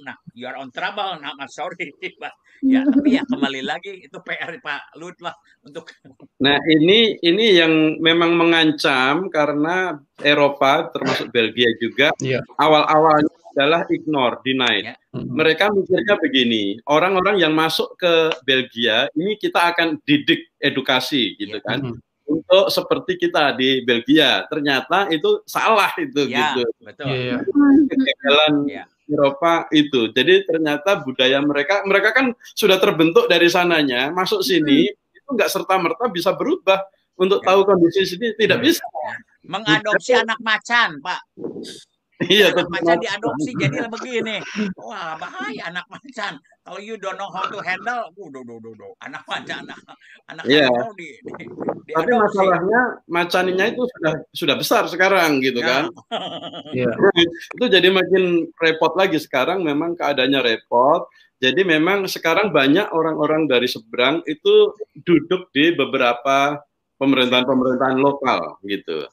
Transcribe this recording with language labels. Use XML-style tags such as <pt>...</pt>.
<en>Nah, you are on trouble, nah, sorry.</en> <id>Ya, tapi ya kembali lagi itu PR Pak Luhut lah untuk. Nah, ini yang memang mengancam karena Eropa termasuk Belgia juga awal-awalnya adalah</id> <en>ignore, deny.</en> <id>Ya. Mereka mikirnya begini, orang-orang yang masuk ke Belgia ini kita akan didik edukasi gitu kan. Untuk seperti kita di Belgia, ternyata itu salah itu gitu. Kegagalan Eropa itu. Jadi ternyata budaya mereka kan sudah terbentuk dari sananya, masuk sini itu nggak serta merta bisa berubah untuk tahu kondisi sini tidak bisa. Mengadopsi gitu. Anak macan, Pak. Iya, macan diadopsi jadi begini. Wah, bahaya anak macan. Kalau</id> <en>you don't know how to handle,</en> <id>anak macan, anak di tapi adopsi. Masalahnya macannya itu sudah besar sekarang gitu kan. Itu jadi makin repot lagi sekarang, memang keadaannya repot. Jadi memang sekarang banyak orang-orang dari seberang itu duduk di beberapa pemerintahan-pemerintahan lokal gitu.</id>